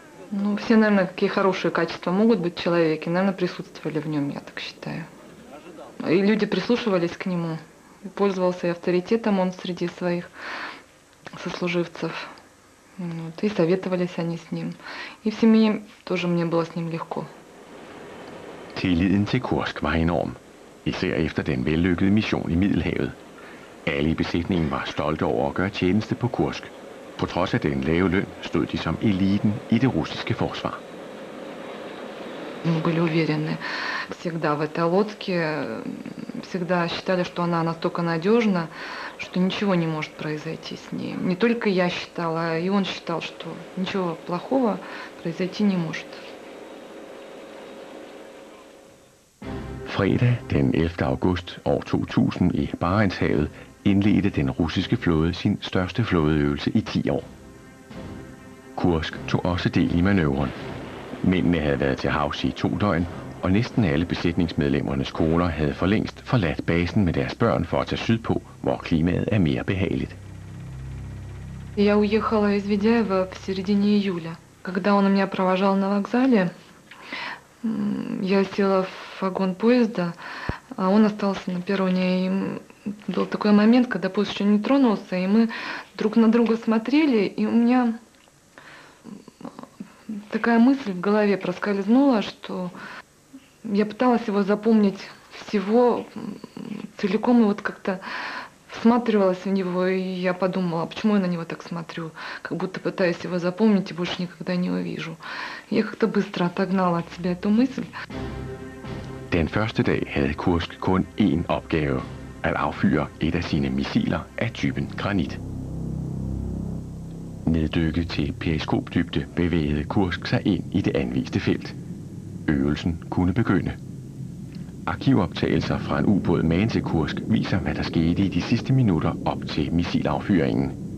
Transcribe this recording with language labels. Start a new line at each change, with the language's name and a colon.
Russian: Ну, все, наверное, какие хорошие качества могут быть в человеке, наверное, присутствовали в нем, я так считаю. И люди прислушивались к нему, пользовался и авторитетом он среди своих сослуживцев. Вот, и советовались они с ним. И в семье тоже мне было с ним легко.
Danish: Tilliden til Kursk var enorm, især efter den vellykkede mission i Middelhavet. Alle i besætningen var stolte over at gøre tjeneste på Kursk. På trods af den lave løn stod de som eliten i det russiske forsvar.
Russian: Мы были уверены всегда в этой лодке, всегда считали, что она настолько надежна, что ничего не может произойти с ней. Не только я считала, и он считал, что ничего плохого произойти не может.
Danish: Fredag den 11. august år 2000 i Barentshavet indledte den russiske flåde sin største flådeøvelse i 10 år. Kursk tog også del i manøvren. Mændene havde været til havs i 2 døgn, og næsten alle besætningsmedlemmernes koner havde for længst forladt basen med deres børn for at tage sydpå, hvor klimaet er mere behageligt. Jeg
Russian: уехала из Ведяева в середине июля. Когда он меня провожал на вокзале, я села в вагон поезда, а он остался на перроне. И был такой момент, когда поезд еще не тронулся, и мы друг на друга смотрели, и у меня такая мысль в голове проскользнула, что я пыталась его запомнить всего целиком, и вот как-то всматривалась в него, и я подумала, почему я на него так смотрю, как будто пытаюсь его запомнить и больше никогда не увижу. Я как-то быстро отогнала от себя эту мысль.
Danish: Den første dag havde Kursk kun én opgave, at affyre et af sine missiler af typen granit. Neddykket til periskopdybde bevægede Kursk sig ind i det anviste felt. Øvelsen kunne begynde. Arkivoptagelser fra en ubåd magen til Kursk viser, hvad der skete i de sidste minutter op til missilaffyringen.